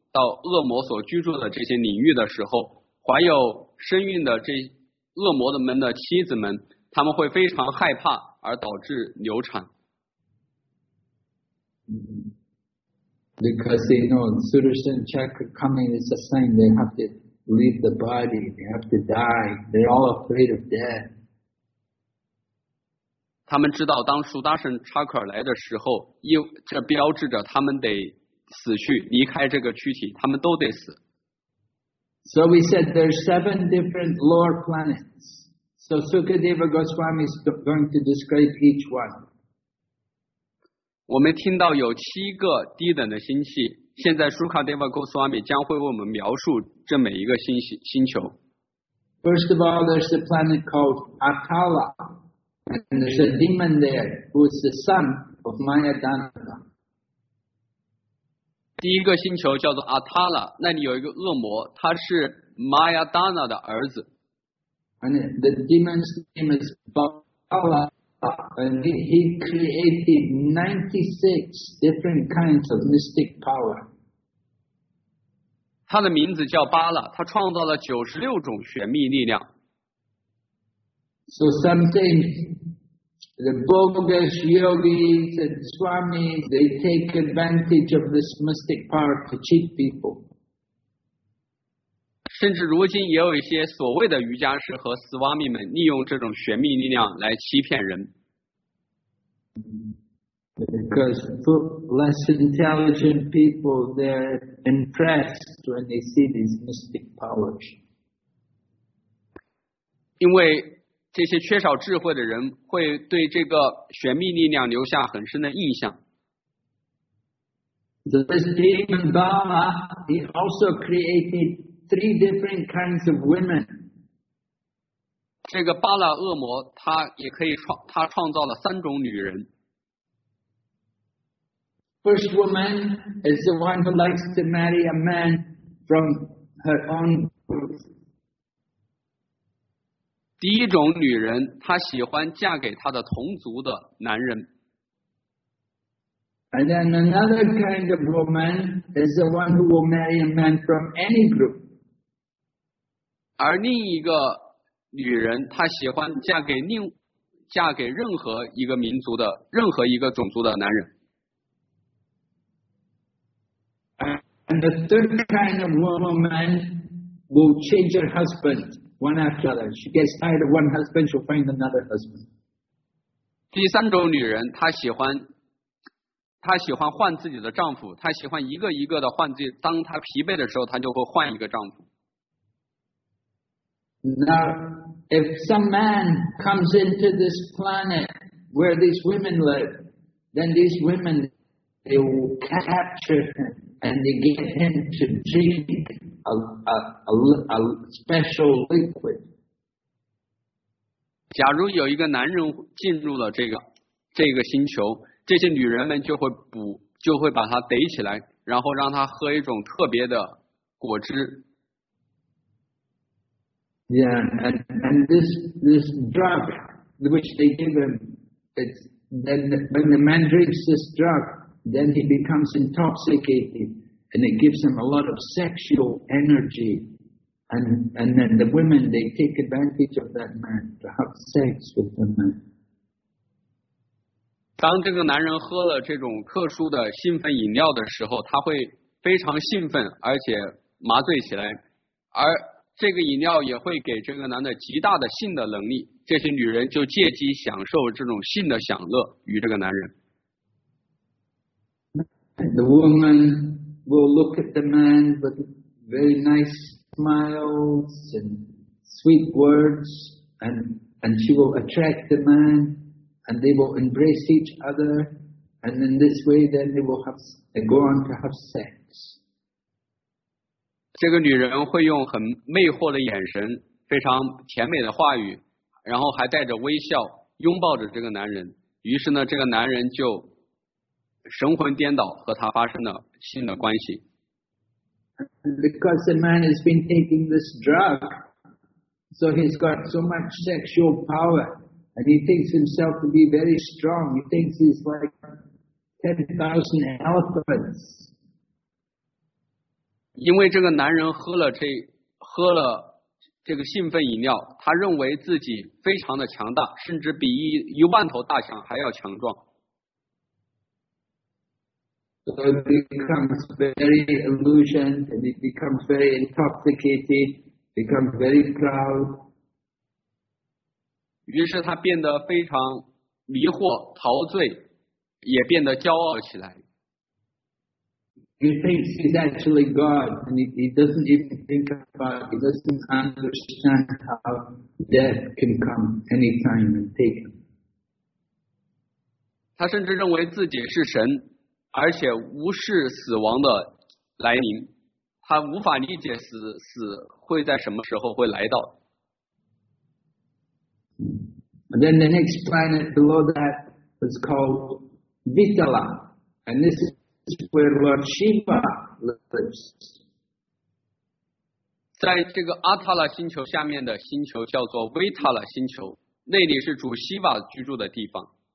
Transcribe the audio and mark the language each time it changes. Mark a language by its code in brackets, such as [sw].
[zh] 到恶魔所居住的这些领域的时候，怀有身孕的这恶魔们的妻子们，他们会非常害怕而导致流产。 [en] Because they know Sudarshan Chakra coming is a sign they have to leave the body, they have to die, they're all afraid of death. [zh] 他们知道当苏达申查克来的时候，这标志着他们得死去，离开这个躯体，他们都得死。 [en] So we said there are 7 different lower planets. So Sukadeva Goswami is going to describe each one. [zh] 我们听到有七个低等的星系，现在 Sukadeva Goswami 将会为我们描述这每一个星球。 [en] First of all, there's a planet called Atala, and there's a demon there who is the son of Mayadanta. [zh] 第一个星球叫做 Atala, 那里有一个恶魔，他是 Mayadanta 的儿子。 [en] And the demon's name is Bala. And he created 96 different kinds of mystic power. [zh] 他的名字叫巴拉，他创造了96种玄秘力量。 [en] So sometimes the bogus yogis and swamis, they take advantage of this mystic power to cheat people. [zh] 甚至如今也有一些所谓的瑜伽师和斯瓦米们利用这种玄秘力量来欺骗人。 [en] Because less intelligent people, they're impressed when they see these mystic powers. [zh] 因为这些缺少智慧的人会对这个玄秘力量留下很深的印象。 [en] This demon Bala, he also created3 different kinds of women. [zh] 这个巴拉恶魔他也可以他创造了三种女人。 [en] First woman is the one who likes to marry a man from her own group. [zh] 第一种女人她喜欢嫁给她的同族的男人。 [en] And then another kind of woman is the one who will marry a man from any group. [zh] 而另一个女人她喜欢嫁给任何一个民族的任何一个种族的男人。 [en] And the third kind of woman will change her husband one after another. She gets tired of one husband, she'll find another husband. [zh] 第三种女人她喜欢换自己的丈夫，她喜欢一个一个的换自己，当她疲惫的时候她就会换一个丈夫。 [en] Now,If some man comes into this planet where these women live, then these women, they will capture him and they get him to drink a special liquid. [zh] 假如有一个男人进入了这个星球，这些女人们就会把他逮起来，然后让他喝一种特别的果汁。 [en] Yeah, and this drug which they give him, it's then when the man drinks this drug, then he becomes intoxicated, and it gives him a lot of sexual energy, and then the women they take advantage of that man to have sex with the man. [zh] 当这个男人喝了这种特殊的兴奋饮料的时候，他会非常兴奋，而且麻醉起来，而这个饮料也会给这个男的极大的性的能力，这些女人就借机享受这种性的享乐与这个男人。 [en] The woman will look at the man with very nice smiles and sweet words, and she will attract the man, and they will embrace each other, and in this way, then they will go on to have sex. [zh] 这个女人会用很魅惑的眼神，非常甜美的话语，然后还带着微笑拥抱着这个男人，于是呢这个男人就神魂颠倒，和她发生了性的关系。 [en] Because the man has been taking this drug, so he's got so much sexual power, and he thinks himself to be very strong. He thinks he's like 10,000 elephants. [zh] 因为这个男人喝了这个兴奋饮料，他认为自己非常的强大，甚至比一万头大象还要强壮。 [en] So it becomes very illusioned, and it becomes very intoxicated, becomes very proud. [zh] 于是他变得非常迷惑、陶醉，也变得骄傲起来。 [en] He thinks he's actually God, and he doesn't even think about, he doesn't understand how death can come anytime and take him. [zh] 他甚至认为自己是神，而且无视死亡的来临，他无法理解死会在什么时候会来到。 [en] And then the next planet below that was called Vitala, and this is where Lord Shiva lives. [zh] 在这个阿塔拉星球下面的星球叫做维塔拉星球，那里是主希瓦居住的地方。